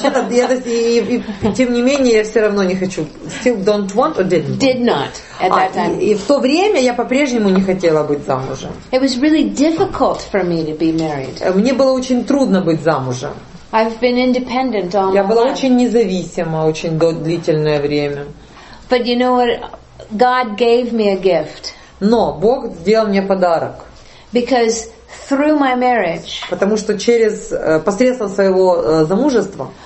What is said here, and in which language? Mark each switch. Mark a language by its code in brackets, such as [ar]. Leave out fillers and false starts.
[ru] Тем не менее, я все равно не хочу. [en] Still don't want or didn't. Did not at that time. [ru] И в то время я по-прежнему не хотела быть замужем. [en] It was really difficult for me to be married. [ru] Мне было очень трудно быть замужем. [en] I've been independent all my life. [ru] Я была очень независима очень длительное время. [en] But you know what? God gave me a gift. [ru] Но Бог сделал мне подарок. [en] Because through my marriage, [ru] потому что через посредством своего замужества,